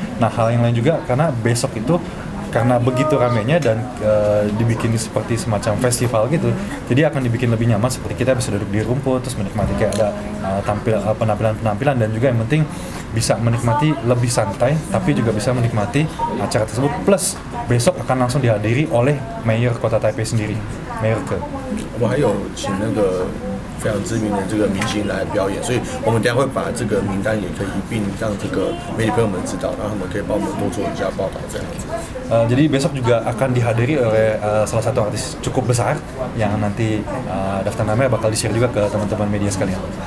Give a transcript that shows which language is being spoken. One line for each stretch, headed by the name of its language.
Indonesian: Nah hal yang lain juga karena besok itu karena begitu ramenya dan dibikin seperti semacam festival gitu, jadi akan dibikin lebih nyaman seperti kita bisa duduk di rumput terus menikmati kayak ada penampilan-penampilan dan juga yang penting bisa menikmati lebih santai tapi juga bisa menikmati acara tersebut. Plus besok akan langsung dihadiri oleh mayor kota Taipei sendiri, mayor ke.
Chinese: 我还有请那个非常知名的这个明星来表演，所以我们等下会把这个名单也可以一并让这个媒体朋友们知道，然后他们可以帮我们多做一下报道这样子。
Indonesian: Jadi besok juga akan dihadiri oleh salah satu artis cukup besar yang nanti daftar namanya bakal di-share juga ke teman-teman media sekalian.